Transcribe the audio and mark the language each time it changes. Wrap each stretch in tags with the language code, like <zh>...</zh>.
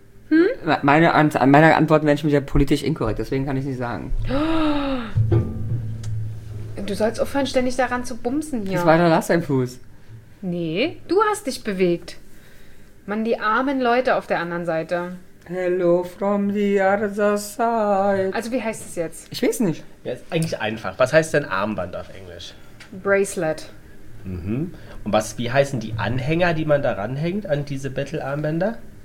<de>Hm? Meine Antwort wäre ja politisch inkorrekt, deswegen kann ich nicht sagen. Du sollst aufhören, ständig daran zu bumsen hier. Das war doch Lars sein Fuß. Nee, du hast dich bewegt. Mann, die armen Leute auf der anderen Seite.</de> <en>Hello from the other side.</en> <de>Also wie heißt es jetzt? Ich weiß nicht. Ja, ist eigentlich einfach. Was heißt denn Armband auf Englisch?</de> <en>Bracelet. Mhm.</en> <de>Und wie heißen die Anhänger, die man da ranhängt an diese Battle-Armbänder?</de>